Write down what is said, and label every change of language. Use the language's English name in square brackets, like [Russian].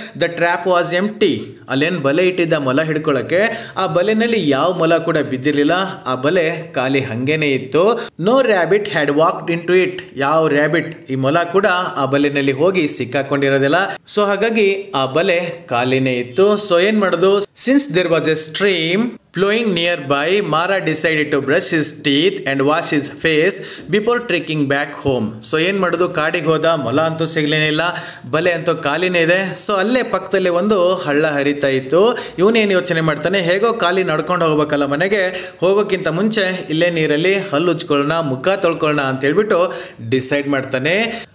[English] the trap was empty, [Kannada] ಅಲ್ಲೇನು ಬಲೆ ಇಟ್ಟಿದ್ದ ಮೊಲ ಹಿಡ್ಕೊಳ್ಳೋಕ್ಕೆ, ಆ ಬಲೆನಲ್ಲಿ ಯಾವ ಮೊಲ ಕೂಡ ಬಿದ್ದಿರಲಿಲ್ಲ, ಆ ಬಲೆ ಖಾಲಿ ಹಂಗೇನೆ ಇತ್ತು. [English] no rabbit had walked into it, [Kannada] ಯಾವ ರ್ಯಾಬಿಟ್ ಈ ಮೊಲ ಕೂಡ ಆ ಬಲೆನಲ್ಲಿ ಹೋಗಿ ಸಿಕ್ಕಾಕೊಂಡಿರೋದಿಲ್ಲ. ಸೊ ಹಾಗಾಗಿ ಆ ಬಲೆ ಖಾಲಿನೇ ಇತ್ತು. [English] so [Kannada] ಏನು ಮಾಡೋದು, [English] Since there was a stream flowing nearby, Mara decided to brush his teeth and wash his face before trekking back home. [Kannada] So, ಏನ್ ಮಾಡುದು, ಕಾಡಿಗೆ ಹೋದ, ಮೊಲ ಅಂತೂ ಸಿಗ್ಲೇನಿಲ್ಲ, ಬಲೆ ಅಂತೂ ಕಾಲಿನೇ ಇದೆ. ಸೊ ಅಲ್ಲೇ ಪಕ್ಕದಲ್ಲಿ ಒಂದು ಹಳ್ಳ ಹರಿತಾ ಇತ್ತು. ಇವನೇನು ಯೋಚನೆ ಮಾಡ್ತಾನೆ, ಹೇಗೋ ಕಾಲಿ ನಡ್ಕೊಂಡು ಹೋಗ್ಬೇಕಲ್ಲ ಮನೆಗೆ, ಹೋಗೋಕ್ಕಿಂತ ಮುಂಚೆ ಇಲ್ಲೇ ನೀರಲ್ಲಿ ಹಲ್ಲು ಉಜ್ಕೊಳ್ಳೋಣ, ಮುಖ ತೊಳ್ಕೊಳ್ಳೋಣ ಅಂತ ಹೇಳ್ಬಿಟ್ಟು ಡಿಸೈಡ್ ಮಾಡ್ತಾನೆ.